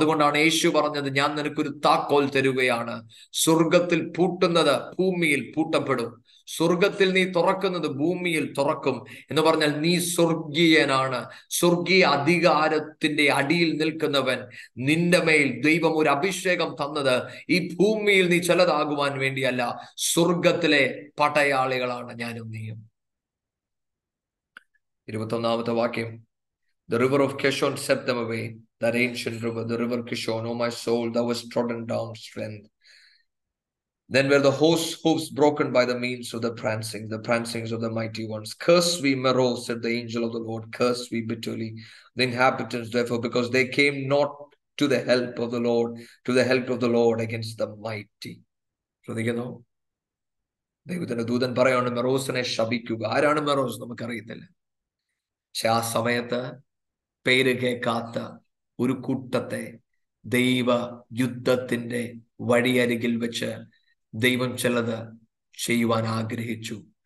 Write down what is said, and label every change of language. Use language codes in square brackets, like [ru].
[ml] അതുകൊണ്ടാണ് യേശു പറഞ്ഞത്, ഞാൻ നിനക്കൊരു താക്കോൽ തരുകയാണ്, സ്വർഗത്തിൽ പൂട്ടുന്നത് ഭൂമിയിൽ പൂട്ടപ്പെടും, സ്വർഗത്തിൽ നീ തുറക്കുന്നത് ഭൂമിയിൽ തുറക്കും എന്ന് പറഞ്ഞാൽ നീ സ്വർഗീയനാണ്, സ്വർഗീയ അധികാരത്തിന്റെ അടിയിൽ നിൽക്കുന്നവൻ. നിന്റെ മേൽ ദൈവം ഒരു അഭിഷേകം തന്നത് ഈ ഭൂമിയിൽ നീ ചിലതാകുവാൻ വേണ്ടിയല്ല, സ്വർഗത്തിലെ പടയാളികളാണ് ഞാനും നീയും. 21-ാമത്തെ വാക്യം. [en] The river of Kishon swept them away, that ancient river, the river Kishon, O my soul, thou was trodden down strength. Then were the horse hoofs broken by the means of the prancings of the mighty ones. Curse we Meroz, said the angel of the Lord, curse we bitterly the inhabitants, therefore, because they came not to the help of the Lord, to the help of the Lord against the mighty. So they can know. [ml] ദൈവത്തിന്റെ ദൂതൻ പറയാണ് മെറോസിനെ ശപിക്കുക. ആരാണ് മെറോസ്? നമുക്കറിയത്തില്ല. പക്ഷെ ആ സമയത്ത് പേര് കേൾക്കാത്ത ഒരു കൂട്ടത്തെ ദൈവ യുദ്ധത്തിൻ്റെ വഴിയരികിൽ വെച്ച് ദൈവം ചിലത് ചെയ്യുവാൻ ആഗ്രഹിച്ചു.